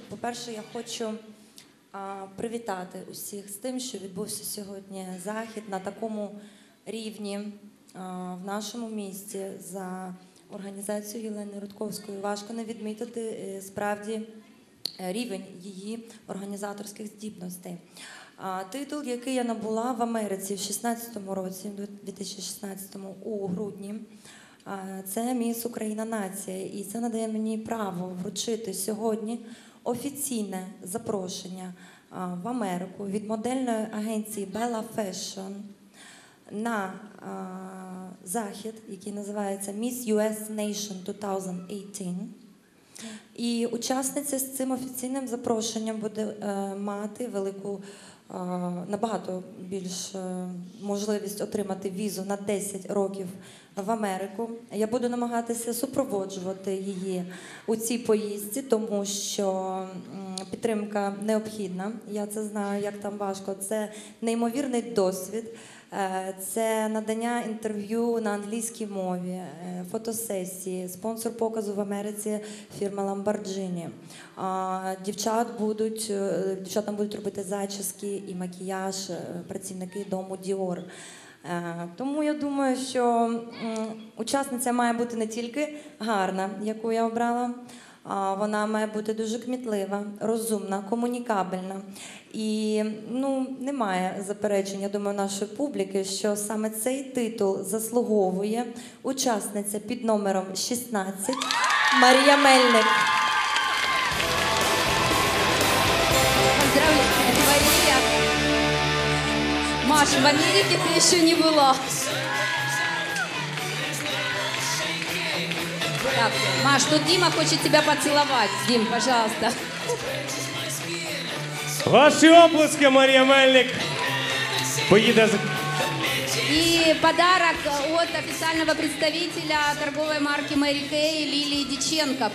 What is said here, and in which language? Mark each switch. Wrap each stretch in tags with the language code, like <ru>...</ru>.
<uk>По-перше, я хочу привітати усіх з тим, що відбувся сьогодні захід на такому рівні в нашому місті за організацію Єлени Рудковської. Важко не відмітити справді рівень її організаторських здібностей. А титул, який я набула в Америці в 16-му році, 2016-му, у грудні, це «Міс Україна нація». І це надає мені право вручити сьогодні офіційне запрошення в Америку від модельної агенції «Bella Fashion» на захід, який називається Miss US Nation 2018. І учасниця з цим офіційним запрошенням буде мати велику, набагато більш можливість отримати візу на 10 років в Америку. Я буду намагатися супроводжувати її у цій поїздці, тому що підтримка необхідна. Я це знаю, як там важко. Це неймовірний досвід. Це надання інтерв'ю на англійській мові, фотосесії, спонсор показу в Америці фірма Lamborghini. Дівчатам будуть робити зачіски і макіяж, працівники дому Dior. Тому я думаю, що учасниця має бути не тільки гарна, яку я обрала, вона має бути дуже кмітлива, розумна, комунікабельна. І, ну, немає заперечень, я думаю, нашої публіки, що саме цей титул заслуговує учасниця під номером 16 Марія Мельник.</uk> <ru>Поздравляю, Марія.</ru> <uk>Маш, в Америці ти ще не була. Так, Маш, тут Дима хоче тебе поцілувати. Дим,</uk> <ru>пожалуйста.</ru> <uk>Ваші оплески, Марія Мельник. Поїде. І</uk> <ru>подарок</ru> <uk>від офіційного</uk> <ru>представителя</ru> <uk>торгової марки Mary Kay Лілії Діченко.</uk>